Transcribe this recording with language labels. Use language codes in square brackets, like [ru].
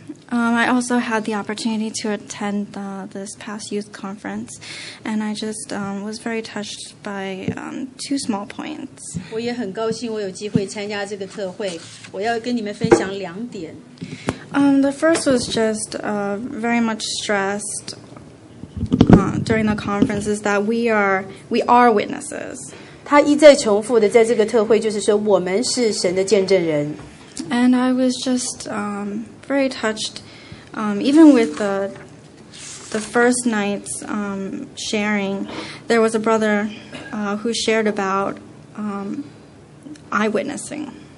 [en] I also had the opportunity to attend this past youth conference, and I just was very touched by two small points. [zh] 我也很高兴我有机会参加这个特会，我要跟你们分享两点。 [en] The first was just very much stressed during the conference is that we are witnesses. [zh] 他一再重复的在这个特会就是说我们是神的见证人。 [en] And I was just very touched. Even with the first night's sharing, there was a brother who shared about eyewitnessing.